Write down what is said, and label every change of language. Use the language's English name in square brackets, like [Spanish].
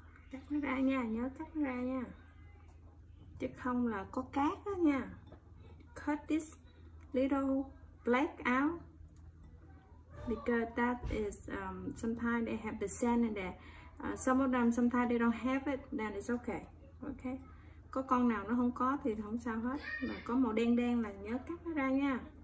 [Vietnamese] Cắt nó ra nha, nhớ cắt nó ra nha, chứ không là có cát đó nha. [English] Cut this little black out because that is sometimes they have the sand in there. Some of them sometimes they don't have it, then it's okay. Okay. [Vietnamese] Có con nào nó không có thì không sao hết, mà có màu đen đen là nhớ cắt nó ra nha.